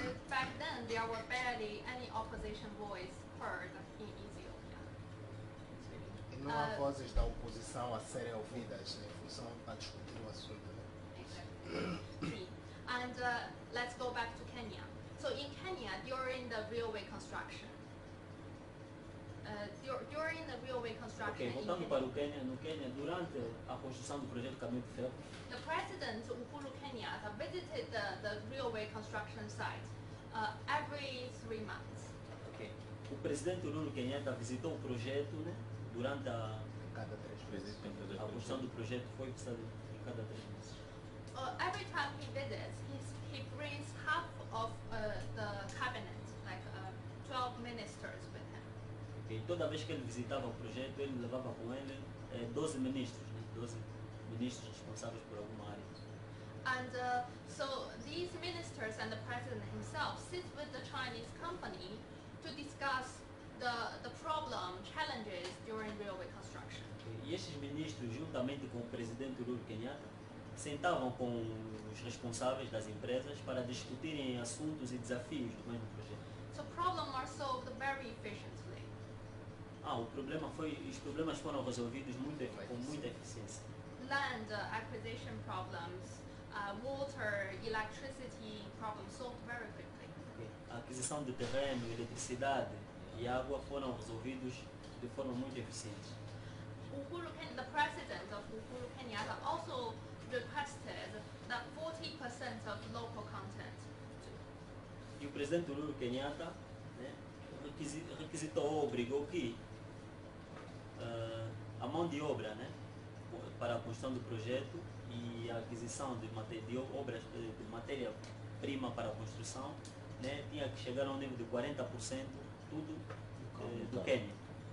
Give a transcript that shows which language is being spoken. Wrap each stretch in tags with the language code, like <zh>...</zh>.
<en>Back then, there were barely any opposition voice heard in Ethiopia.</en> <pt>não há vozes da oposição a serem ouvidas em função para discutir o assunto.</pt> <en>Exactly. And let's go back to Kenya. So in Kenya, during the railway construction, during the railway construction,</en> <pt>okay, voltando para o Quênia, no Quênia, durante a construção do projeto Caminho de Ferro,</pt> <en>the president Uhuru Kenyatta visited the railway construction site every 3 months.</en> <pt>Okay. O presidente Uhuru Kenyatta visitou o projeto, né, durante a cada 3 meses. A construção do projeto foi visitada em cada 3 meses.</pt> <en>Every time he visits, he brings half of the cabinet, like 12 ministers with him.</en> <pt>E toda vez que ele visitava o projeto, ele levava com ele 12 ministros, né? 12 ministros responsáveis por alguma área.</pt> <en>And so these ministers and the president himself sit with the Chinese company to discuss the problem, challenges during railway construction.</en> <pt>E esses ministros, juntamente com o presidente Uhuru Kenyatta, sentavam com os responsáveis das empresas para discutirem assuntos e desafios do mesmo projeto.</pt> <en>So problems are solved very efficiently.</en> <pt>Ah, o problema foi, os problemas foram resolvidos muito, com muita eficiência.</pt> <en>Land acquisition problems, water, electricity problems solved very quickly.</en> <pt>A aquisição de terreno, eletricidade e água foram resolvidos de forma muito eficiente.</pt> <en>The president of Uhuru Kenyatta also requested that 40% of local content.</en> <pt>E o presidente Uhuru Kenyatta, né, requisitou, obrigou que a mão de obra, né, para a construção do projeto e a aquisição de matéria-prima para a construção, né, tinha que chegar a um nível de 40% tudo do Quênia.</pt>